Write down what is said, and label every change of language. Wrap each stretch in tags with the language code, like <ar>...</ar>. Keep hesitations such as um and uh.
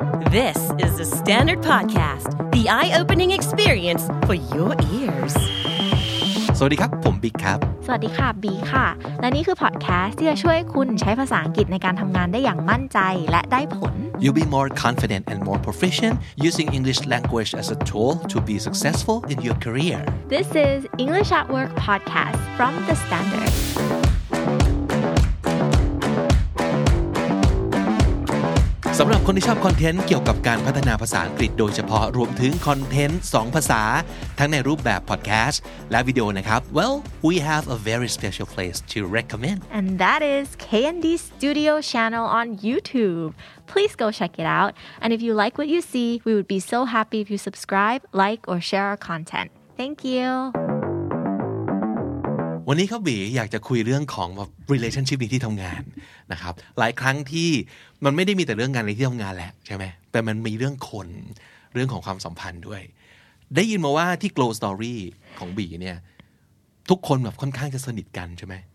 <en>This is the Standard Podcast, the eye opening experience for your ears.</en> <th>สวัสดีครับ ผมบิ๊กครับ สวัสดีค่ะ บีค่ะ และนี่คือพอดแคสต์ที่จะช่วยคุณใช้ภาษาอังกฤษในการทำงานได้อย่างมั่นใจและได้ผล</th> <en>You'll be more confident and more proficient using English language as a tool to be successful in your career This is English at Work podcast from The Standard.</en> <th>สำหรับคนที่ชอบคอนเทนต์เกี่ยวกับการพัฒนาภาษาอังกฤษโดยเฉพาะรวมถึงคอนเทนต์ 2 ภาษา ทั้งในรูปแบบพอดแคสต์และวิดีโอนะครับ</th> <en>well we have a very special place to recommend And that is KND Studio channel on YouTube. Please go check it out. And if you like what you see, we would be so happy if you subscribe, like, or share our content. Thank you.</en> <th>วันนี้ครับบีอยากจะคุยเรื่องของแบบ relationship ในที่ทำงานนะครับ หลายครั้งที่มันไม่ได้มีแต่เรื่องงานในที่ทำงานแหละใช่ไหมแต่มันมีเรื่องคนเรื่องของความสัมพันธ์ด้วย ได้ยินมาว่าที่ glow story ของบีเนี่ยทุกคนแบบค่อนข้างจะสนิทกันใช่ไหม</th>